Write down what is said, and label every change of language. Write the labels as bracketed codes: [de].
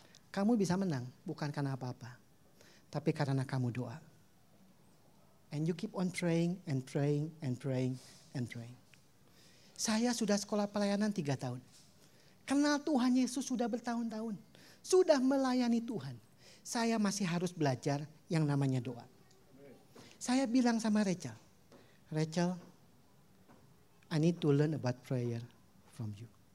[id] Kamu bisa menang bukan karena apa-apa, tapi karena kamu doa. [en] And you keep on praying and praying and praying and praying. [id] Saya sudah sekolah pelayanan 3 tahun. Kenal Tuhan Yesus sudah bertahun-tahun. Sudah melayani Tuhan. Saya masih harus belajar yang namanya doa. Saya bilang sama [en] Rachel, Rachel, I need to learn about prayer from you.